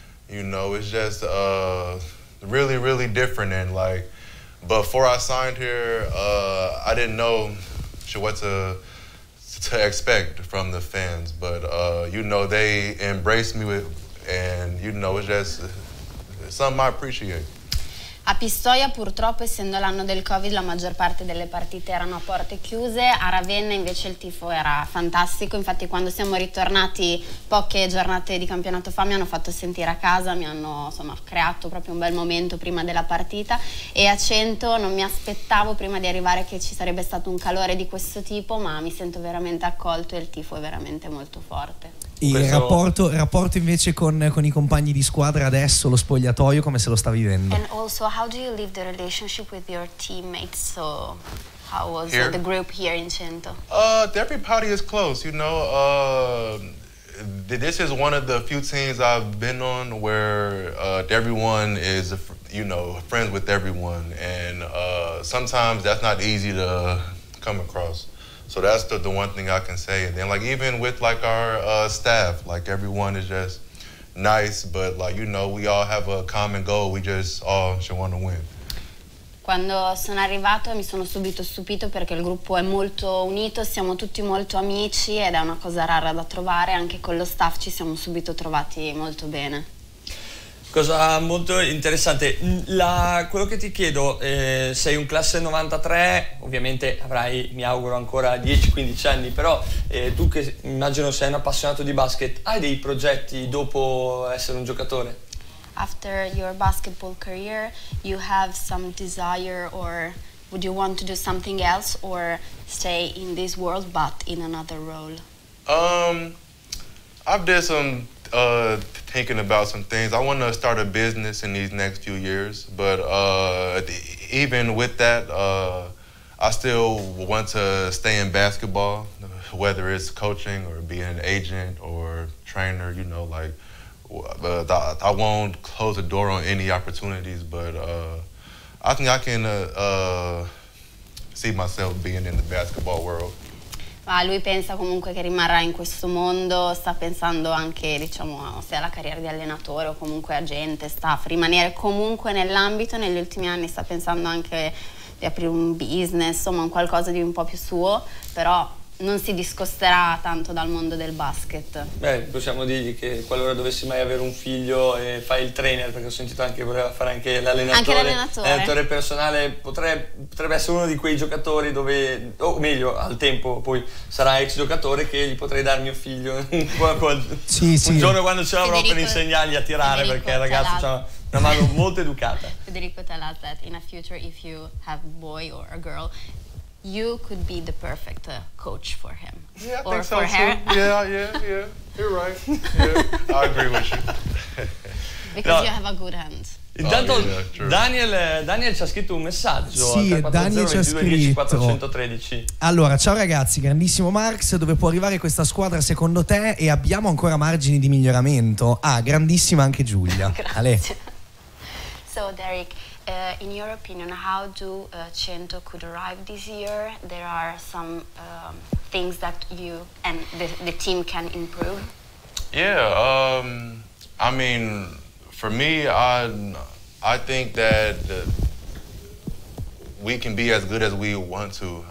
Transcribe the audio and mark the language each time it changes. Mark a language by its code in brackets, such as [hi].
[en] You know, it's just really, really different. And like, before I signed here, I didn't know what to expect from the fans. But, you know, they embraced me and, you know, it's just something I appreciate. [it] A Pistoia, purtroppo, essendo l'anno del Covid, la maggior parte delle partite erano a porte chiuse. A Ravenna, invece, il tifo era fantastico. Infatti, quando siamo ritornati poche giornate di campionato fa, mi hanno fatto sentire a casa, mi hanno creato proprio un bel momento prima della partita. E a Cento non mi aspettavo, prima di arrivare, che ci sarebbe stato un calore di questo tipo, ma mi sento veramente accolto e il tifo è veramente molto forte. Il rapporto invece con i compagni di squadra adesso, lo spogliatoio, come se lo sta vivendo? [en] And also, how do you live the relationship with your teammates? So, how was here? The group here in Cento? Everybody is close, you know. This is one of the few teams I've been on where everyone is, you know, friends with everyone. And sometimes that's not easy to come across. So that's the one thing I can say. And then, like, even with, like, our staff, like, everyone is just nice. But, like, you know, we all have a common goal. We just all should want to win. [it] Quando sono arrivato mi sono subito stupito perché il gruppo è molto unito, siamo tutti molto amici ed è una cosa rara da trovare. Anche con lo staff ci siamo subito trovati molto bene. Cosa molto interessante, quello che ti chiedo, sei un classe 93, ovviamente avrai, mi auguro, ancora 10-15 anni, però tu, che immagino sei un appassionato di basket, hai dei progetti dopo essere un giocatore? [en] After your basketball career, you have some desire, or would you want to do something else, or stay in this world but in another role? I've done some thinking about some things. I want to start a business in these next few years, but even with that, I still want to stay in basketball, whether it's coaching or being an agent or trainer, you know, like I won't close the door on any opportunities, but I think I can see myself being in the basketball world. [it] Ma lui pensa comunque che rimarrà in questo mondo, sta pensando anche, diciamo, se alla carriera di allenatore o comunque agente, sta a rimanere comunque nell'ambito. Negli ultimi anni sta pensando anche di aprire un business, insomma, un qualcosa di un po' più suo, però non si discosterà tanto dal mondo del basket. Beh, possiamo dirgli che qualora dovessi mai avere un figlio e fai il trainer, perché ho sentito anche che voleva fare anche l'allenatore. Anche l'allenatore. L'allenatore personale potrebbe essere uno di quei giocatori dove, o meglio, al tempo poi sarà ex giocatore, che gli potrei dare mio figlio sì. Un giorno quando ce l'avrò per insegnargli a tirare, perché il ragazzo c'ha una mano molto educata. [en] Federico, tell us that in a future if you have a boy or a girl, you could be the perfect coach for him. Yeah, I think so too. Yeah. You're right. Yeah, I agree with you. Because you have a good hand. [it] Intanto Daniel ci ha scritto un messaggio. Sì, Daniel ci ha scritto 413. Allora, ciao ragazzi, grandissimo Marx, dove può arrivare questa squadra secondo te, e abbiamo ancora margini di miglioramento? Ah, grandissima anche Giulia. Grazie. Ale. [en] So Derek, in your opinion, how do Cento could arrive this year? There are some things that you and the team can improve. Yeah, I mean, for me, I think that we can be as good as we want to.